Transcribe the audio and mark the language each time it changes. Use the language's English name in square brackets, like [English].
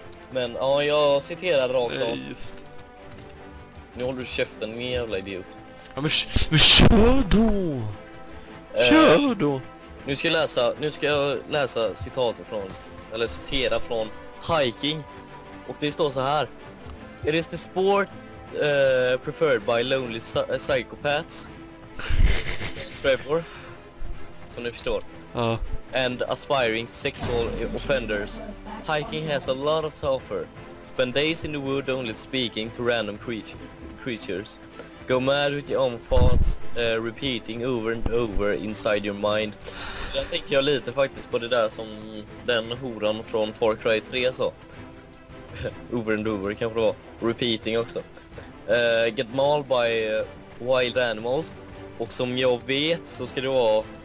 [Swedish] Men, ja, jag citerar rakt av. Nej, just. Nu håller du käften, ni jävla idiot. Ja, men kör då! Kör då! Nu ska jag läsa, citat från, eller citera från hiking. Och det står så här. [English] It is the sport preferred by lonely psychopaths. [Swedish] Trevor. Som ni förstår. Ja. [English] And aspiring sexual offenders. Hiking has a lot of tougher. Spend days in the wood only speaking to random creatures. Go mad with your own thoughts. Repeating over and over inside your mind. [Swedish] Jag tänker lite faktiskt på det där som den horan från Far Cry 3 sa. [English] Over and over [Swedish] kanske det var. [English] Repeating [Swedish] också. [English] Get mauled by wild animals. [Swedish] Och som jag vet så ska det vara...